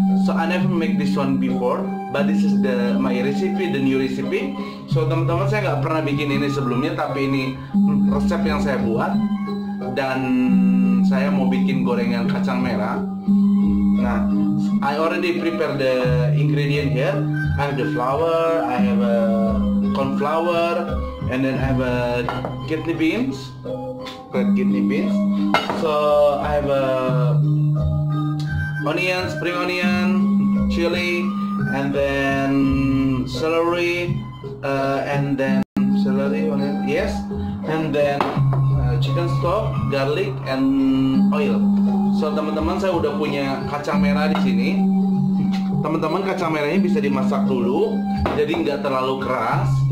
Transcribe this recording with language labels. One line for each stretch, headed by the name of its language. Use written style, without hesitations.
English: So I never make this one before, but this is the new recipe.
Indonesian: So teman-teman, saya nggak pernah bikin ini sebelumnya, tapi ini resep yang saya buat dan saya mau bikin gorengan kacang merah.
English: Nah, I already prepare the ingredient here. I have the flour, I have a corn flour, and then I have a kidney beans, red kidney beans. So I have a onion, spring onion, chili, and then celery, and then chicken stock, garlic, and oil.
Indonesian: So teman-teman, saya udah punya kacang merah di sini. Teman-teman, kacang merahnya bisa dimasak dulu, jadi nggak terlalu keras.